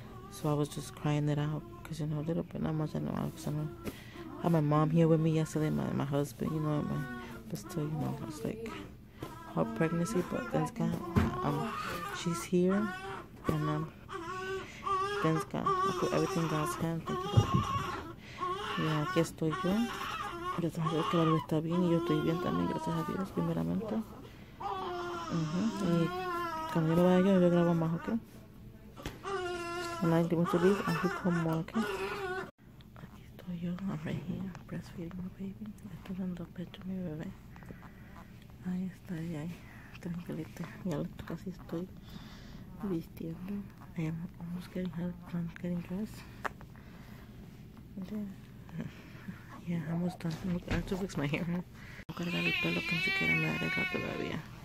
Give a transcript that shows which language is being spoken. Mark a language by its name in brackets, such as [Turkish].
[English] So I was just crying it out, because, you know, a little bit, not much, I know, because I had my mom here with me yesterday, my husband, you know, but still, you know, it's like her pregnancy, but thanks God, she's here, and thanks God, I put everything in God's hands. Thank you. Yeah, [Spanish] aquí estoy yo. Gracias a Dios, claro, está bien, y yo estoy bien también, gracias a Dios, primeramente. Y cuando yo me vaya yo grabo más, ¿ok? [English] And I want to leave, I'll come more, ¿ok? [Spanish] Aquí estoy yo, [English] I'm right here, breastfeeding my baby. [Spanish] Estoy dando pecho a mi bebé. Ahí está, ahí, tranquilita. Ya casi estoy vistiendo. [English] I am almost getting help, I'm getting dressed. Yeah, I'm almost done. I have to fix my hair. [Spanish] No cargar el pelo que ni siquiera me ha arreglado todavía.